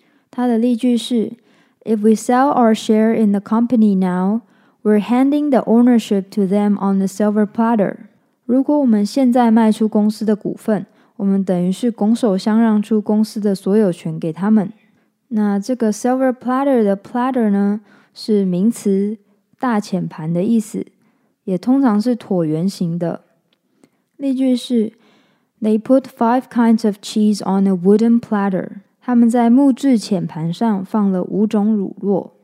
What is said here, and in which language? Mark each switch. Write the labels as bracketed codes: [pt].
[zh] 它的例句是 [en] If we sell our share in the company now, we're handing the ownership to them on the silver platter. [zh] 如果我们现在卖出公司的股份，我们等于是拱手相让出公司的所有权给他们。那这个 silver platter 的 platter 呢，是名词，大浅盘的意思，也通常是椭圆形的。例句是 [en] They put 5 kinds of cheese on a wooden platter. [zh] 他们在木质浅盘上放了五种乳酪。